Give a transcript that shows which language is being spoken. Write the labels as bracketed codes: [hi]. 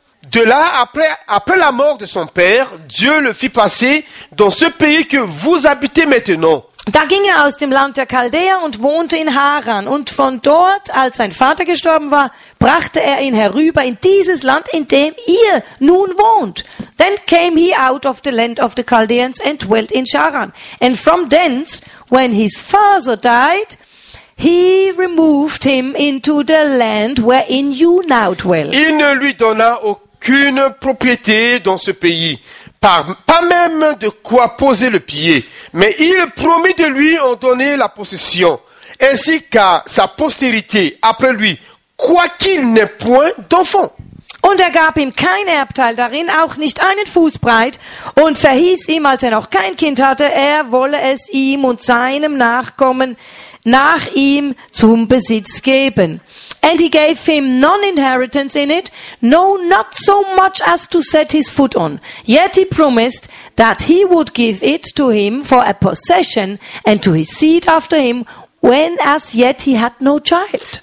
[fr] De là, après la mort de son père, Dieu le fit passer dans ce pays que vous habitez maintenant. [de] Da ging er aus dem Land der Chaldäer und wohnte in Haran. Und von dort, als sein Vater gestorben war, brachte er ihn herüber in dieses Land, in dem ihr nun wohnt. [en] Then came he out of the land of the Chaldeans and dwelt in Charan. And from thence, when his father died, He removed him into the land wherein you now dwell. [fr] Il ne lui donna aucune propriété dans ce pays, pas même de quoi poser le pied. Mais il promit de lui en donner la possession, ainsi qu'à sa postérité après lui, quoiqu'il n'ait point d'enfant. [de] Und gab ihm kein Erbteil darin, auch nicht einen Fußbreit, und verhieß ihm, als noch kein Kind hatte, wolle es ihm und seinem Nachkommen nach ihm zum Besitz geben. [en] And he gave him none inheritance in it, no, not so much as to set his foot on. Yet he promised that he would give it to him for a possession and to his seed after him, when as yet he had no child.